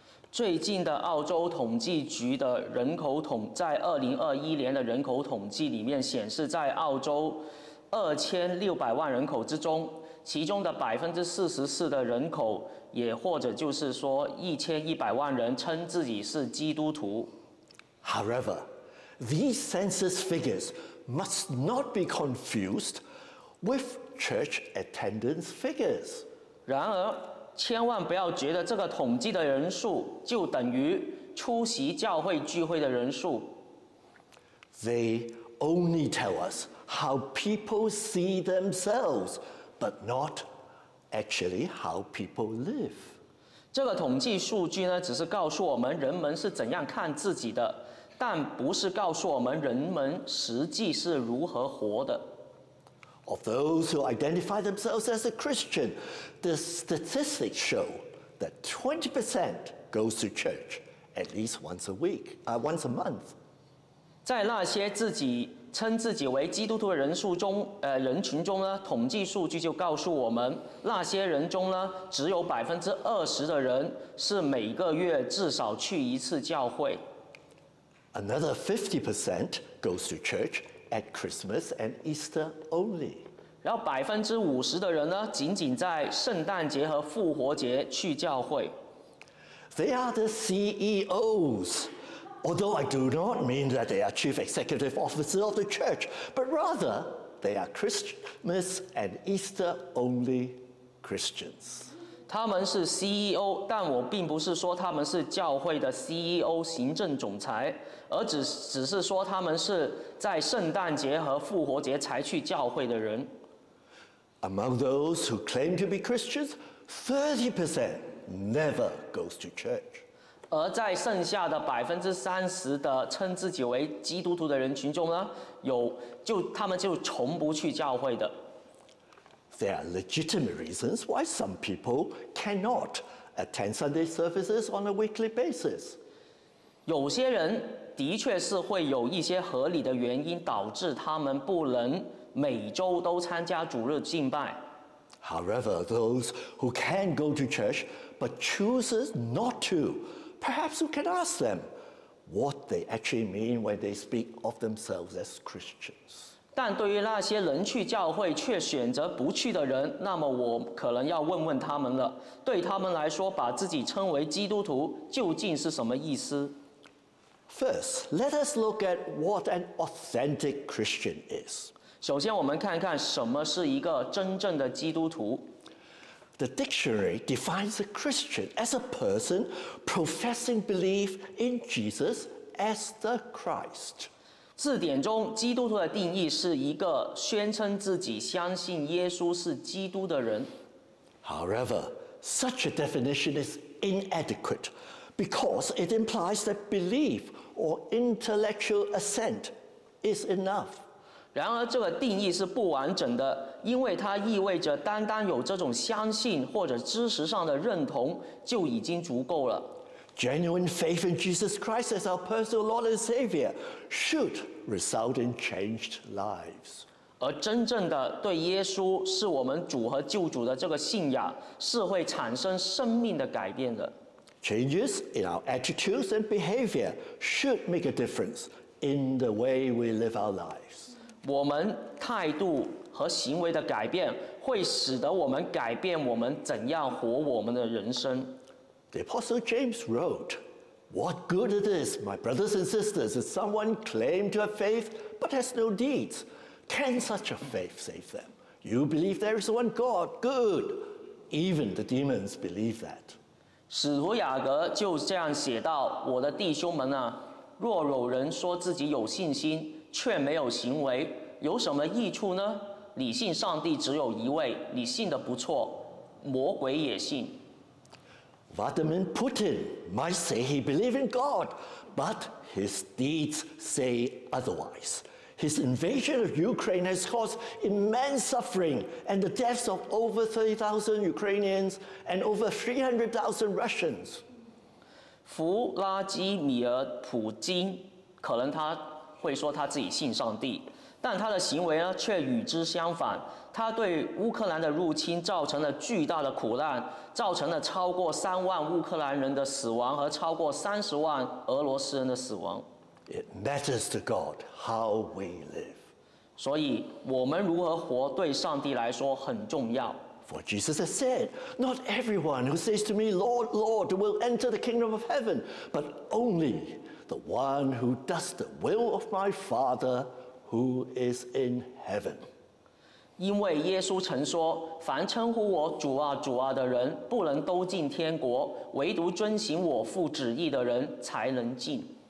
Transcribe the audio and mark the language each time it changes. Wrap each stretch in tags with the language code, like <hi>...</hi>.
<zh>最近的澳洲统计局的人口统在2021年的人口统计里面显示，在澳洲2600万人口之中，其中的 44% 的人口，也或者就是说1100万人称自己是基督徒。</zh> <en>However,These census figures must not be confused with church attendance figures.</en> <zh>然而，千万不要觉得这个统计的人数就等于出席教会聚会的人数。</zh> <en>They only tell us how people see themselves, but not actually how people live.</en> <zh>这个统计数据呢，只是告诉我们人们是怎样看自己的，但不是告诉我们人们实际是如何活的。</zh> <en>Of those who identify themselves as a Christian, the statistics show that 20% goes to church at least once a month.</en> <zh>在那些自己称自己为基督徒的人数中，人群中呢，统计数据就告诉我们，那些人中呢，只有20%的人是每个月至少去一次教会。</zh> <en>Another 50% goes to church at Christmas and Easter only.</en> <zh>然后50%的人呢，仅仅在圣诞节和复活节去教会。</zh> <en>They are the CEOs, although I do not mean that they are chief executive officers of the church, but rather they are Christmas and Easter only Christians.</en> <zh>他们是 CEO, 但我并不是说他们是教会的 CEO 行政总裁。而只是说他们是在圣诞节和复活节才去教会的人。</zh> <en>Among those who claim to be Christians, 30% never goes to church.</en> <zh>而在剩下的30%的称自己为基督徒的人群中呢，他们就从不去教会的。</zh> <en>There are legitimate reasons why some people cannot attend Sunday services on a weekly basis.</en> <zh>有些人的确是会有一些合理的原因导致他们不能每周都参加主日敬拜。</zh> <en>However, those who can go to church but chooses not to, perhaps you can ask them what they actually mean when they speak of themselves as Christians.</en> <zh>但对于那些能去教会却选择不去的人，那么我可能要问问他们了。对他们来说，把自己称为基督徒究竟是什么意思？</zh> <en>First, let us look at what an authentic Christian is.</en> <zh>首先我们看看什么是一个真正的基督徒。</zh> <en>The dictionary defines a Christian as a person professing belief in Jesus as the Christ.</en> <zh>字典中基督徒的定义是一个宣称自己相信耶稣是基督的人。</zh> <en>However, such a definition is inadequate because it implies that belief or intellectual assent is enough.</en> <zh>然而这个定义是不完整的，因为它意味着单单有这种相信或者知识上的认同就已经足够了。</zh> <en>Genuine faith in Jesus Christ as our personal Lord and Savior should result in changed lives.</en> <zh>而真正的对耶稣是我们主和救主的这个信仰是会产生生命的改变的。</zh> <en>Changes in our attitudes and behavior should make a difference in the way we live our lives.</en> <zh>我们态度和行为的改变会使得我们改变我们怎样活我们的人生。</zh> <en>The Apostle James wrote, What good it is, my brothers and sisters, if someone claims to have faith but has no deeds? Can such a faith save them? You believe there is one God, good. Even the demons believe that.</en> <zh>使徒雅各就这样写道：我的弟兄们啊，若有人说自己有信心却没有行为，有什么益处呢？你信上帝只有一位，你信得不错，魔鬼也信。</zh> <en>Vladimir Putin might say he believes in God, but his deeds say otherwise. His invasion of Ukraine has caused immense suffering and the deaths of over 30,000 Ukrainians and over 300,000 Russians.</en> <zh>弗拉基米尔·普京可能他会说他自己信上帝，但他的行为呢却与之相反。他对乌克兰的入侵造成了巨大的苦难，造成了超过3万乌克兰人的死亡和超过30万俄罗斯人的死亡。</zh> <en>It matters to God how we live.</en> <zh>所以我们如何活对上帝来说很重要。</zh> <en>For Jesus has said, Not everyone who says to me, Lord, Lord, will enter the kingdom of heaven, but only the one who does the will of my Father who is in heaven.</en> <zh>因为耶稣曾说，凡称呼我主啊、主啊的人不能都进天国，唯独遵行我父旨意的人才能进。</zh>